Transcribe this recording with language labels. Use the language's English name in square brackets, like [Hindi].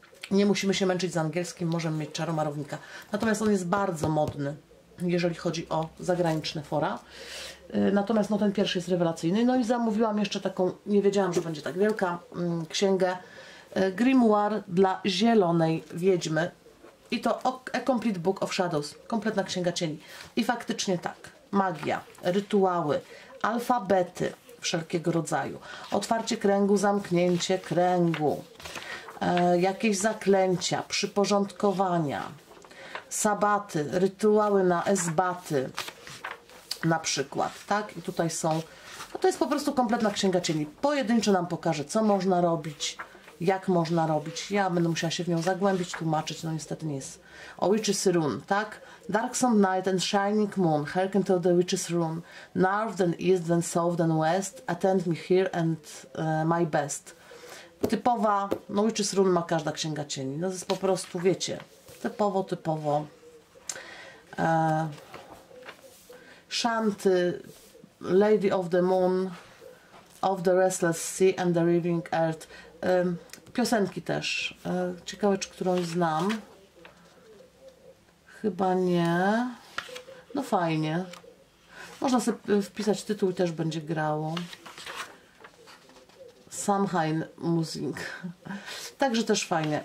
[Polish] Nie musimy się męczyć z angielskim, możemy mieć czaromarownika. Natomiast on jest bardzo modny, jeżeli chodzi o zagraniczne fora. Natomiast no, ten pierwszy jest rewelacyjny. No i zamówiłam jeszcze taką, nie wiedziałam, że będzie tak wielka, księgę. Grimoire dla zielonej wiedźmy. I to [English] A Complete Book of Shadows. [Polish] Kompletna księga cieni. I faktycznie tak. Magia, rytuały, alfabety wszelkiego rodzaju. Otwarcie kręgu, zamknięcie kręgu. Jakieś zaklęcia, przyporządkowania, sabaty, rytuały na esbaty na przykład, tak? I tutaj są, no to jest po prostu kompletna księga cieni. Pojedynczo nam pokaże, co można robić, jak można robić. Ja będę musiała się w nią zagłębić, tłumaczyć, no niestety nie jest. [English] O Witch's Rune, tak? Darksome Night and Shining Moon, hearken to the Witch's Rune. North and East and South and West, attend me here and my best. [Polish] Typowa, no Witch's Rune ma każda księga cieni. No to jest po prostu, wiecie, typowo. [English] Shanty, Lady of the Moon, of the Restless Sea and the Raving Earth. [Polish] Piosenki też. Ciekawe, czy którąś znam. Chyba nie. No fajnie. Można sobie wpisać tytuł i też będzie grało. Samhain Musing. Także też fajnie.